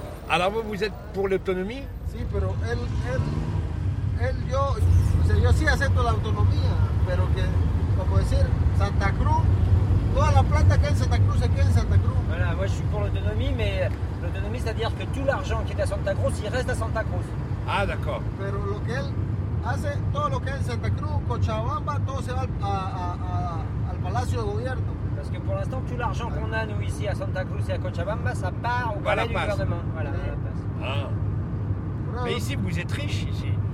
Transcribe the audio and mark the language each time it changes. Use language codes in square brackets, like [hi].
[fr] Alors vous êtes pour l'autonomie? [es] Si, pero yo. Yo sí acepto la autonomía, pero que, como decir, Santa Cruz, toda la plata que hay en Santa Cruz se queda en Santa Cruz. [fr] Voilà, moi je suis pour l'autonomie, mais l'autonomie, c'est-à-dire que tout l'argent qui est à Santa Cruz, il reste à Santa Cruz. Ah, d'accord. [es] Pero lo que él hace, todo lo que hay en Santa Cruz, Cochabamba, todo se va al Palacio de Gobierno. [fr] Parce que pour l'instant, tout l'argent qu'on a, nous, ici, à Santa Cruz et à Cochabamba, ça part au palais du gouvernement. Voilà, ça passe. Ah. Mais ici, vous êtes riche, ici.